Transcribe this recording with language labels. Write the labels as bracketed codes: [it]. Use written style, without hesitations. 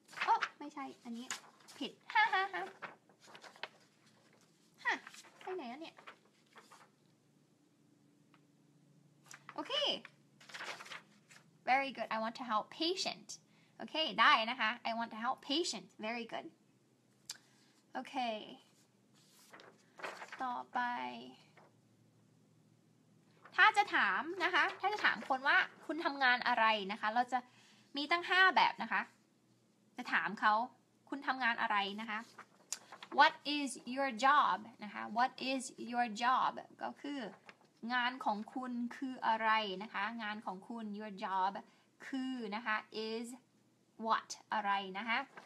[th] Oh, ไม่ใช่อันนี้ผิดฮ่าฮ่าฮ่าฮ่าไปไหนอันเนี่ย [en] Okay, very good. I want to help patient. Okay, [th] ได้นะคะ [en] I want to help patient. Very good. [th] Okay, ต่อไปถ้าจะถามนะคะถ้าจะถามคนว่าคุณทำงานอะไรนะคะเราจะมีตั้ง5แบบนะคะจะถามเขาคุณทำงานอะไรนะคะ [en] What is your job [th] นะคะ What is [en] your job [th] ก็คืองานของคุณคืออะไรนะคะงานของคุณ your job คือนะคะ [en] is what [th] อะไรนะคะ